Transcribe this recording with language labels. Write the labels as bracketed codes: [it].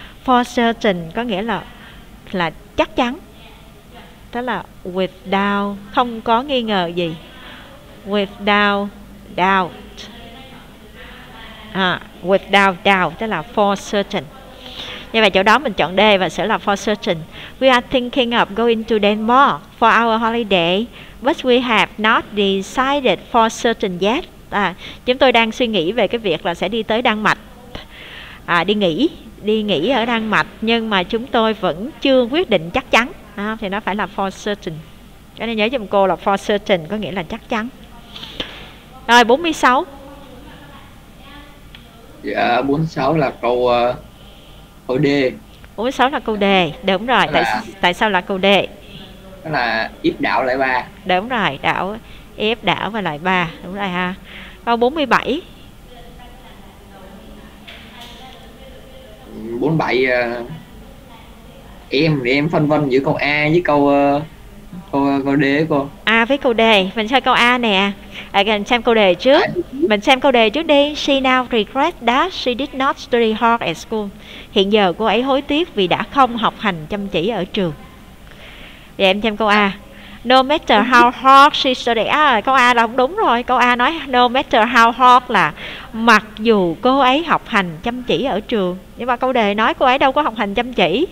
[vi] For certain có nghĩa là chắc chắn. Tức là without, không có nghi ngờ gì. [en] Without doubt. À, without doubt [vi] tức là [en] for certain. [vi] Như vậy chỗ đó mình chọn D và sẽ là for certain. [en] We are thinking of going to Denmark for our holiday, but we have not decided for certain yet. [vi] À, chúng tôi đang suy nghĩ về cái việc là sẽ đi tới Đan Mạch, à, đi nghỉ ở Đan Mạch, nhưng mà chúng tôi vẫn chưa quyết định chắc chắn. À, thì nó phải là for certain. Cho nên nhớ giùm cô là for certain có nghĩa là chắc chắn. Rồi 46. Dạ 46 là câu câu D. 46 là câu D, đúng rồi. Tại sao là câu D? Đó là if đảo lại 3. Đúng rồi, đảo if đảo và lại 3, đúng rồi ha. Câu 47. 47 em thì em phân vân giữa câu A với câu D cô. A với câu D, mình xem câu A nè. Mình xem câu D trước. Mình xem câu D trước đi. [en] She now regrets that she did not study hard at school. [vi] Hiện giờ cô ấy hối tiếc vì đã không học hành chăm chỉ ở trường. Vậy em xem câu A. [en] No matter how hard she studied. [vi] À, câu A là không đúng rồi. Câu A nói no matter how hard là mặc dù cô ấy học hành chăm chỉ ở trường. Nhưng mà câu đề nói cô ấy đâu có học hành chăm chỉ.